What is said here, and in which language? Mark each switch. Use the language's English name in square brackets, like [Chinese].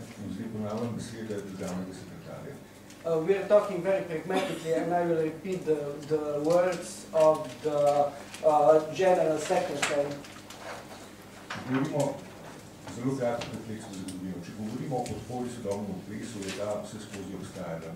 [Slovenian] Zdaj ponavljam besede državnega sekretarja. [English] We are talking very pragmatically, and I will repeat the words of the General Secretary. [Slovenian] Govorimo zelo kratko o plesu za ljudjo. Če govorimo o podpori sodobnemu plesu, je ta vse skozi obstajala.